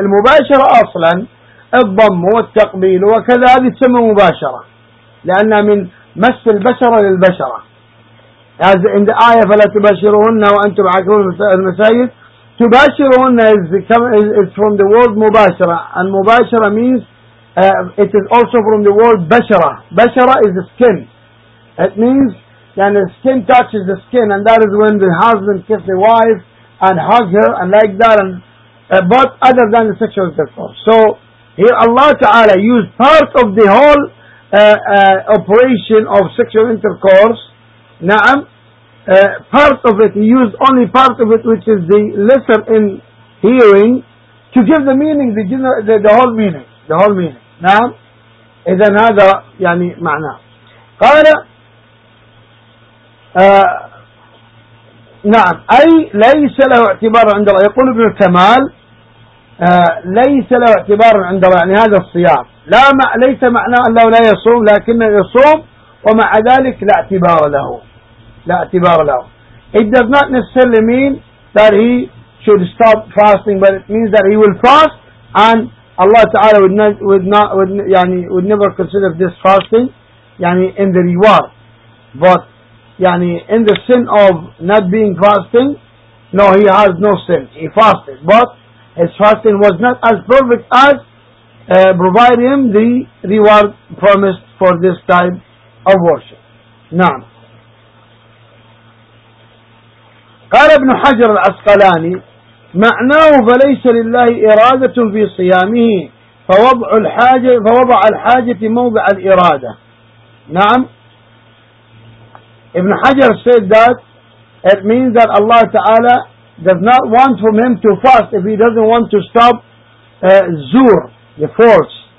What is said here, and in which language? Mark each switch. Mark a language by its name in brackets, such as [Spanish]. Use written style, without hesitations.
[Arabic] المباشرة أصلا الضم والتقبيل وكذا، هذه تسمى مباشرة لأنها من مس البشرة للبشرة. [English] As in the آية [Arabic] فلا تباشروهن وأنتم عاكفون في المساجد، [English] تباشرون is from the word مباشرة. المباشرة means it is also from the word بشرة. بشرة is the skin. It means that the skin touches the skin, and that is when the husband kiss the wife and hug her and like that. And but other than the sexual intercourse. So here Allah Ta'ala used part of the whole operation of sexual intercourse. نعم، part of it, he used only part of it, which is the lesser in hearing, to give the meaning, the general, the whole meaning, the whole meaning. [Arabic] نعم، إذن هذا يعني معنى. قال نعم، أي ليس له اعتبار عند الله. يقول ابن الكمال ليس له اعتبار عند الله، يعني هذا الصيام لا ليس معناه أنه لا يصوم، لكن يصوم ومع ذلك لا اعتبار له. لا اعتبار له. [English] It does not necessarily mean that he should stop fasting, but it means that he will fast and Allah Ta'ala would never consider this fasting يعني in the reward. But يعني in the sin of not being fasting, no, he has no sin. He fasted, but his fasting was not as perfect as provide him the reward promised for this type of worship. Naam. [Arabic] قال ابن حجر العسقلاني معناه فليس لله إرادة في صيامه فوضع الحاجة فوضع الحاجة موضع الإرادة. نعم. [English] ابن حجر said that it means that Allah Ta'ala does not want from him to fast if he doesn't want to stop zur, the force.